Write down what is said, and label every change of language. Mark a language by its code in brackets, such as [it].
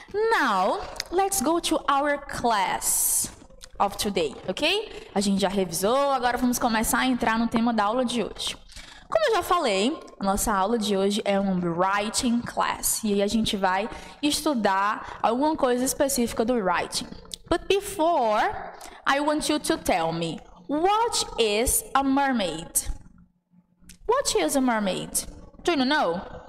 [en] Now, let's go to our class of today, ok? [pt] A gente já revisou, agora vamos começar a entrar no tema da aula de hoje. Como eu já falei, a nossa aula de hoje é um writing class. E aí a gente vai estudar alguma coisa específica do writing. [en] But before, I want you to tell me, what is a mermaid? What is a mermaid? Do you know?